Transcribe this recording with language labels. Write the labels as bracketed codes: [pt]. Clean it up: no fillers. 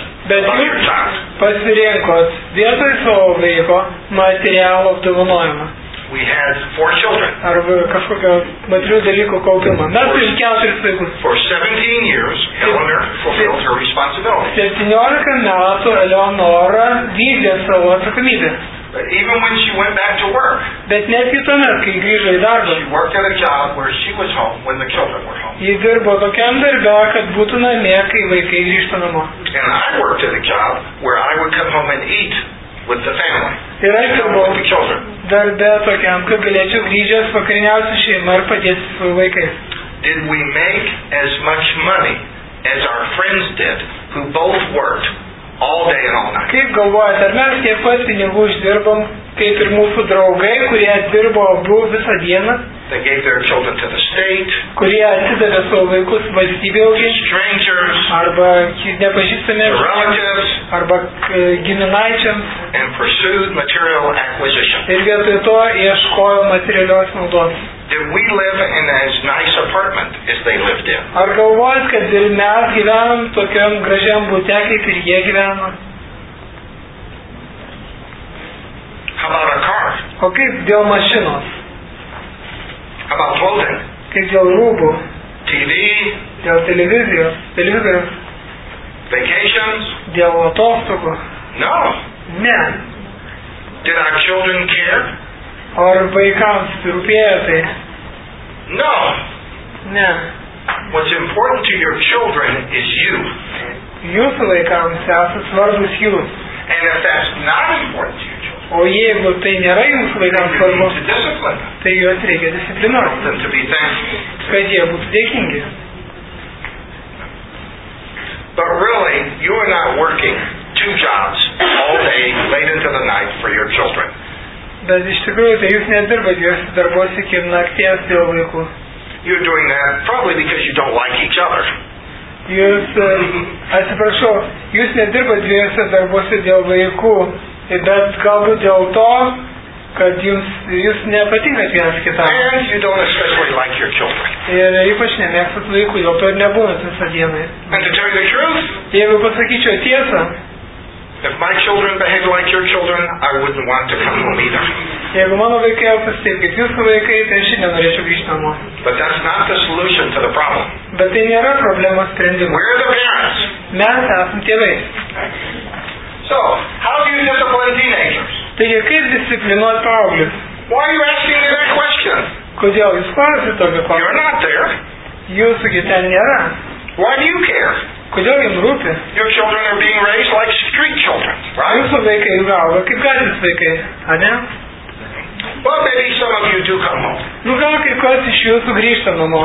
[lt] Bet jūs pasirinkot vietoj savo vaiko materialų apdovanojimą. [en] We had four children. [lt] Arba kažkokio materialių dalykų kaupimą. Mes turim keturis vaikus. [en] For 17 years, Eleanor fulfilled her responsibility. [lt] 17 metų Eleonora vykdė savo atsakomybę. [en] But even when she went back to work, [lt] bet netgi tuomet, kai grįžo į darbą, [en] she worked at a job where she was home when the children were home. [lt] Ji dirbo tokiam darbe, kad būtų namie, kai vaikai grįžtų namo. [en] And I worked at a job where I would come home and eat with the family. [lt] Ir aš dirbo darbe tokiam, kad galėčiau grįžęs vakariniausiu šeimą ir padėti su vaikais. [en] Did we make as much money as our friends did, who both worked all day and all night? [lt] Kaip galvojate, ar mes tiek pat pinigų uždirbom, kaip ir mūsų draugai, kurie dirbo abu visą dieną? [en] They gave their children to the state. [lt] Kurie atidavė savo vaikus valstybei. [en] Strangers. [lt] Arba nepažįstamiems. [en] Relatives. [lt] Arba giminaičiams. [en] And pursued material acquisition. [lt] Ir vietoj to ieškojo materialios naudos. [en] Did we live in as nice apartment as they lived in? [lt] Ar galvojat, kad ir mes gyvenam tokiam gražiam bute, kaip ir jie gyveno? [en] How about a car? [lt] O kaip dėl mašinos? [en] How about clothing? [lt] Kaip dėl rūbų? [en] TV? [lt] Dėl televizijos? Televizijos? [en] Vacations? [lt] Dėl atostogų? [en] No. [lt] Ne. [en] Did our children care? [lt] Ar vaikams rūpėjo tai? [en] No. [lt] Ne. [en] What's important to your children is you. [lt] Jūsų vaikams esat svarbus jūs. [en] And if that's not important to you, [lt] o jeigu tai nėra jums vaikams svarbu, tai juos reikia disciplinuoti, kad jie būtų dėkingi. [en] But really, you are not working two jobs all day, late into the night for your children. [lt] Bet iš tikrųjų, tai jūs nedirbate, jūs darbos iki nakties dėl vaikų. [en] You're doing that probably because you don't like each other. [lt] Jūs, atsiprašau, jūs nedirbate dviejose darbose dėl vaikų. Bet galbūt dėl to, kad jūs nepatinkat vienas kitam. [en] And you don't especially like your children. [lt] Ir ypač nemėgstat vaikų, dėl to ir nebūnat visą dieną. [en] And to tell you the truth, [lt] jeigu pasakyčiau tiesą, [en] if my children behaved like your children, I wouldn't want to come home either. [lt] Jeigu mano vaikai elgtųsi taip, kaip jūsų vaikai, tai aš nenorėčiau grįžti namo. [en] But that's not the solution to the problem. [lt] Bet tai nėra problemos sprendimas. [en] We're the parents. [lt] Mes esam tėvai. [en] So, how do you discipline teenagers? [lt] Taigi, kaip disciplinuoti paauglius? [en] Why are you asking me that question? [lt] Kodėl jūs klausite tokio klausimo? [en] You're not there. [lt] Jūsųgi ten nėra. [en] Why do you care? [lt] Kodėl jums rūpi? [en] Your children are being raised like street children, right? [lt] Jūsų vaikai užauga kaip gatvės vaikai, ar ne? [en] Well, maybe some of you do come home. [lt] Nu, gal kai kas iš jūsų grįžta namo.